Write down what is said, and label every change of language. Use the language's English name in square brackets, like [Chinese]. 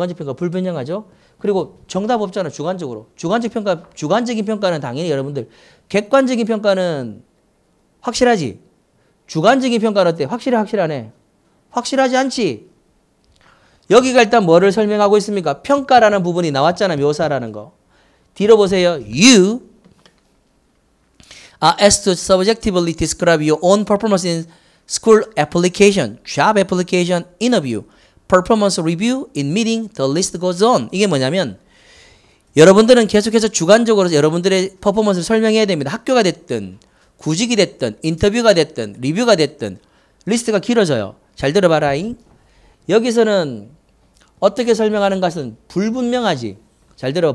[Korean] 주관적 평가 불분명하죠. 그리고 정답 없잖아. 주관적으로 주관적 평가 주관적인 평가는 당연히 여러분들 객관적인 평가는 확실하지 주관적인 평가는 어때 확실해 확실하네 확실하지 않지. 여기가 일단 뭐를 설명하고 있습니까? 평가라는 부분이 나왔잖아. 묘사라는 거. 뒤로 보세요. [English] You are asked to subjectively describe your own performance in school application, job application, interview, performance review, in meeting, the list goes on. [Korean] 이게 뭐냐면 여러분들은 계속해서 주관적으로 여러분들의 퍼포먼스를 설명해야 됩니다. 학교가 됐든, 구직이 됐든, 인터뷰가 됐든, 리뷰가 됐든 리스트가 길어져요. 잘 들어봐라잉. 여기서는 어떻게 설명하는 것은 불분명하지. 잘 들어.